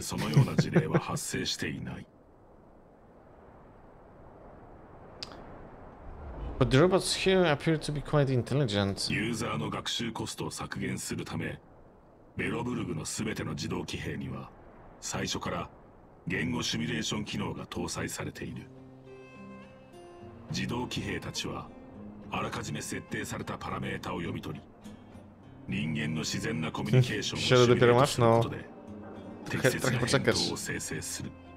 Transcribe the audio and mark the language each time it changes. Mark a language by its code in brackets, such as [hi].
[ja] そのような事例は発生していない。 [en] But the robots here appear to be quite intelligent. [ja] User の学習コストを削減するため、ベロブルグのすべての自動機兵には最初から言語シミュレーション機能が搭載されている。自動機兵たちはあらかじめ設定されたパラメータを読み取り、人間の自然なコミュニケーションをシミュレートすることで適切な変動を生成する。